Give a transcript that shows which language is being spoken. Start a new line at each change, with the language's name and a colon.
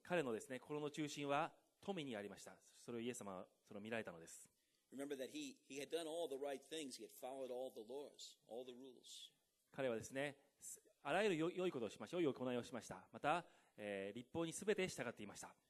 Japanese: 彼のですね、心の中心は富にありました。それをイエス様はその見られたのです。
English: Remember that he had done all the right things. He had followed all the laws, all the rules.
Japanese: 彼はですね、あらゆる良いことをしました。良い行いをしました。また立法にすべて従っていました。